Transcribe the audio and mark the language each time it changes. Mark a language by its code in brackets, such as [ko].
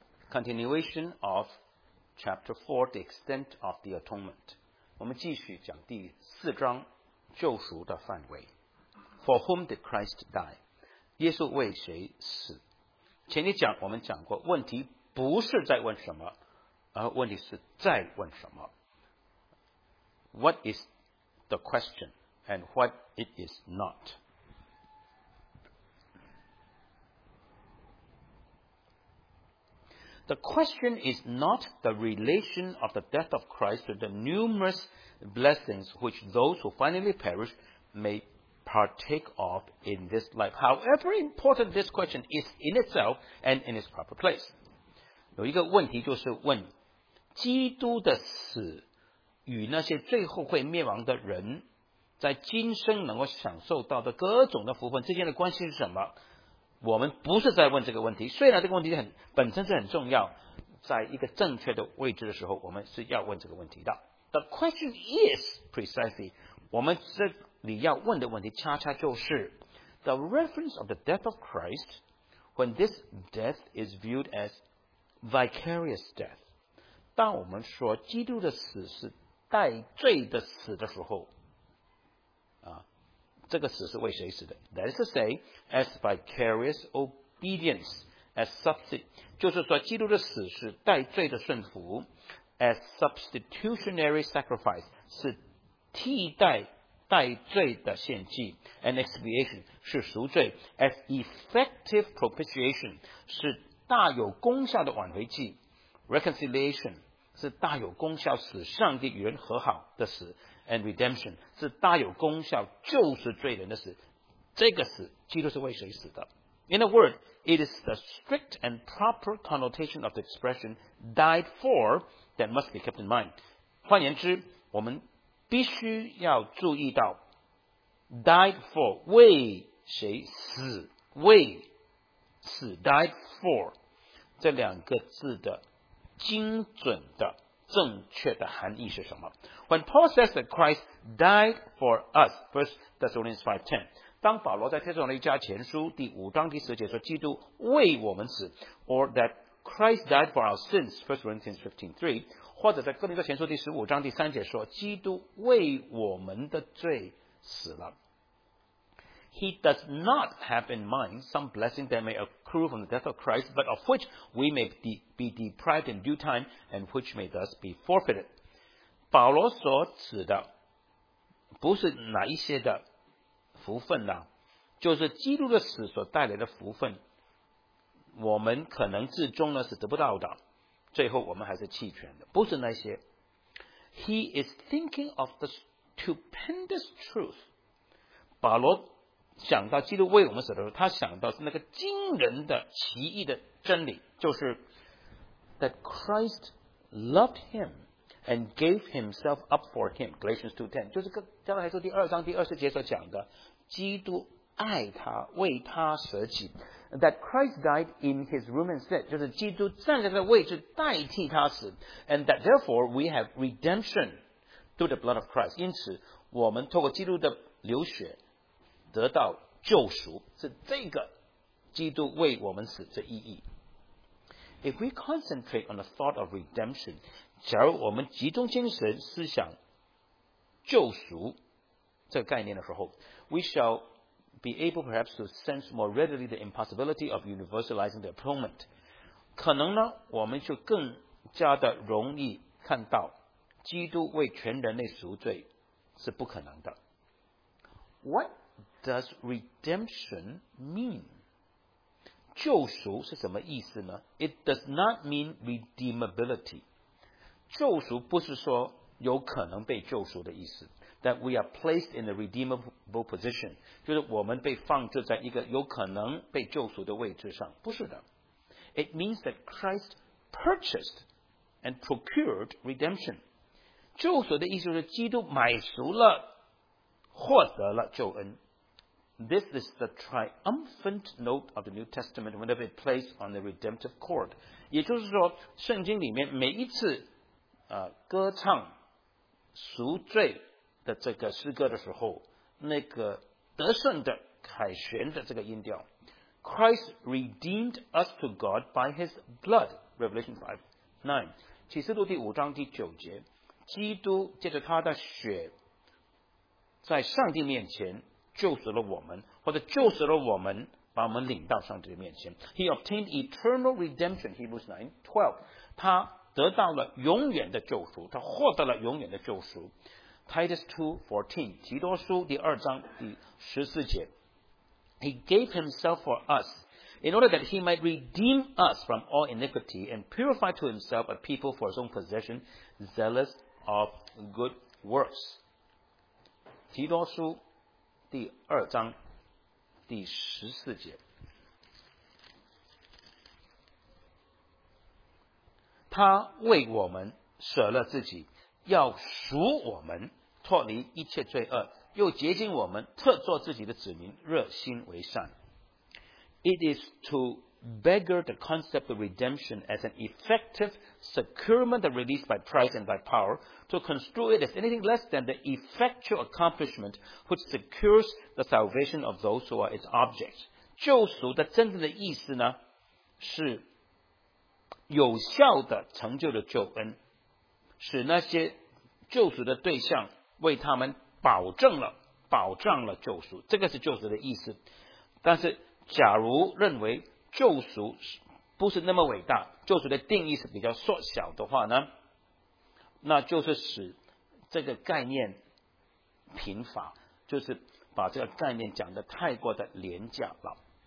[en] Continuation of Chapter 4, The Extent of the Atonement. [zh] 我们继续讲第四章，救赎的范围。 [en] For whom did Christ die? [zh] 耶稣为谁死？前一讲我们讲过，问题不是在问什么，而问题是在问什么。 [en] What is the question and what it is not? The question is not the relation of the death of Christ to the numerous blessings which those who finally perish may partake of in this life. However important this question is in itself and in its proper place. [zh] 有一个问题就是问基督的死与那些最后会灭亡的人在今生能够享受到的各种的福分之间的关系是什么？我们不是在问这个问题，虽然这个问题本身是很重要，在一个正确的位置的时候我们是要问这个问题的。 [en] The question is precisely [zh] 我们这里要问的问题恰恰就是 [en] The reference of the death of Christ when this death is viewed as vicarious death， [zh] 当我们说基督的死是代罪的死的时候，这个死是为谁死的？ [en] That is to say, as vicarious obedience, as substitute, [zh] 就是说基督的死是代罪的顺服， [en] as substitutionary sacrifice, 是 [zh] 替代代罪的献祭， [en] and expiation, [zh] 是赎罪， [en] as effective propitiation, [zh] 是大有功效的挽回祭， reconciliation,是大有功效使上帝与人和好的死 [en] and redemption [zh] 是大有功效救赎罪人的死，这个死基督是为谁死的？ [en] In a word, it is the strict and proper connotation of the expression died for that must be kept in mind. [zh] 换言之，我们必须要注意到 died for 为谁死，为死 died for 这两个字的精准的正确的含义是什么？ [en] When Paul says that Christ died for us, 1 Thessalonians 5:10, [zh] 当保罗在帖撒罗尼迦前书第五章第十节说基督为我们死， [en] or that Christ died for our sins, 1 Corinthians 15:3, [zh] 或者在哥林多前书第十五章第三节说基督为我们的罪死了， [en] He does not have in mind some blessing that may occur from the death of Christ, but of which we may be deprived in due time and which may thus be forfeited. [zh] 保罗所指的不是哪一些的福分啊，就是基督的死所带来的福分，我们可能至终呢是得不到的，最后我们还是弃权的，不是那些。 [en] He is thinking of the stupendous truth. [zh] 保罗想到基督为我们死的时候，他想到是那个惊人的奇异的真理，就是 [en] that Christ loved him and gave himself up for him, Galatians 2:10, [zh] 就是跟加拉太书第二章第二十节所讲的基督爱他为他舍己， [en] that Christ died in his room instead, [zh] 就是基督站在他的位置代替他死， [en] and that therefore we have redemption through the blood of Christ, [zh] 因此我们透过基督的流血得到救赎，是这个基督为我们死这意义。 [en] If we concentrate on the thought of redemption, [zh] 假如我们集中精神思想救赎这个概念的时候， [en] we shall be able perhaps to sense more readily the impossibility of universalizing the atonement. [zh] 可能呢，我们就更加的容易看到基督为全人类赎罪是不可能的。 [en] What? Does redemption mean? [zh] 救赎是什么意思呢？ [en] It does not mean redeemability. [zh] 救赎不是说有可能被救赎的意思。 [en] That we are placed in a redeemable position. [zh] 就是我们被放置在一个有可能被救赎的位置上。不是的。 [en] It means that Christ purchased and procured redemption. [zh] 救赎的意思是基督买赎了，获得了救恩。 [en] This is the triumphant note of the New Testament whenever it plays on the redemptive chord. [zh] 也就是说，圣经里面每一次歌唱赎罪的这个诗歌的时候，那个得胜的凯旋的这个音调， [en] Christ redeemed us to God by his blood, Revelation 5:9, [zh] 启示录第五章第九节，基督借着他的血在上帝面前救赎了我们，或者救赎了我们，把我们领到上帝的面前。 [en] He obtained eternal redemption, [zh] Hebrews 9:12, 他得到了永远的救赎，他获得了永远的救赎。 [en] Titus 2:14, [zh] 提多书第二章第十四节， [en] He gave himself for us in order that he might redeem us from all iniquity and purify to himself a people for his own possession, zealous of good works. [zh] 提多书第二章第十四节，他为我们舍了自己，要赎我们脱离一切罪恶，又洁净我们，特作自己的子民，热心为善。 [en] It is to beggar the concept of redemption as an effective securement released by Christ and by power to construe it as anything less than the effectual accomplishment which secures the salvation of those who are its objects. [zh] 救赎的真正的意思呢，是有效的成就了救恩，使那些救赎的对象为他们保证了，保障了救赎，这个是救赎的意思。但是假如认为救赎不是那么伟大，救赎的定义是比较缩小的话呢，那就是使这个概念贫乏，就是把这个概念讲得太过的廉价了。